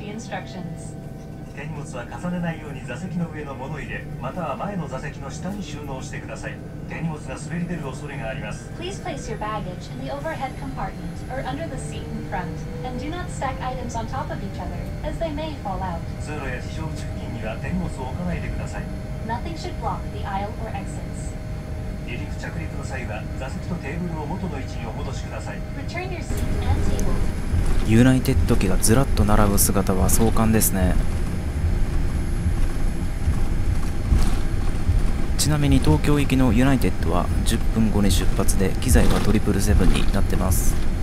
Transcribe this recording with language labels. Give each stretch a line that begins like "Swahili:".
Japanese: 手荷物は重ねないように座席の上の物入れまたは前の座席の下に収納してください。手荷物が滑り出る恐れがあります。
English: Please place your baggage in the overhead compartment or under the seat in front and do not stack items on top of each other as they may fall out.
Japanese: 通路や地上付近には手荷物を置かないでください。
English: Nothing should block the aisle or exits.
Japanese: 離陸着陸の際は座席とテーブルを元の位置にお戻しください。
English: Return your seat and table.
Japanese: ユナイテッド機がずらっと並ぶ姿は壮観ですね。ちなみに東京行きのユナイテッドは10分後に出発で機材は777になってます。